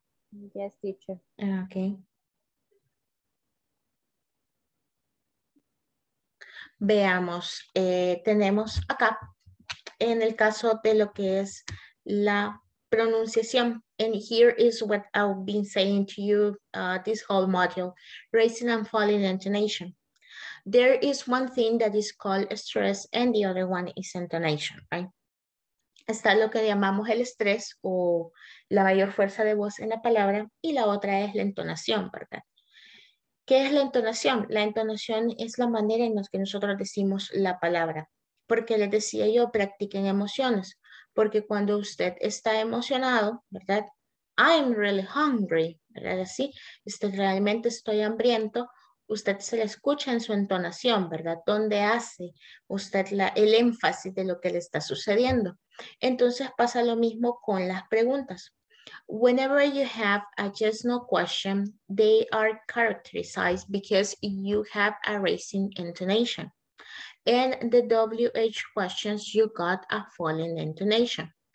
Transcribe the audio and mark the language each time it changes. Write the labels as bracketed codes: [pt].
[en] Yes, teacher. Ok. [es] Veamos, tenemos acá. En el caso de lo que es la pronunciación. [en] And here is what I've been saying to you this whole module, raising and falling intonation. There is one thing that is called stress and the other one is intonation, right? [es] Está lo que llamamos el estrés o la mayor fuerza de voz en la palabra y la otra es la entonación, ¿verdad? ¿Qué es la entonación? La entonación es la manera en la que nosotros decimos la palabra. Porque les decía yo, practiquen emociones. Porque cuando usted está emocionado, ¿verdad? [en] I'm really hungry, [es] ¿verdad? Así, usted realmente estoy hambriento. Usted se le escucha en su entonación, ¿verdad? ¿Dónde hace usted el énfasis de lo que le está sucediendo? Entonces pasa lo mismo con las preguntas. [en] Whenever you have a yes no question, they are characterized because you have a raising intonation. And the WH questions, you got a falling intonation.